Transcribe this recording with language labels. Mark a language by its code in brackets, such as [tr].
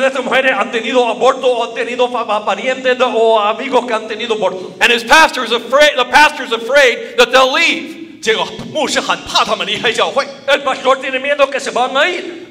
[es] de estas mujeres han tenido aborto o han tenido parientes o amigos que han tenido aborto. [en] And his pastor is afraid. The pastor is afraid that they'll leave. [zh] 结果牧师很怕他们离开教会。 [es] El pastor tiene miedo que se van a ir.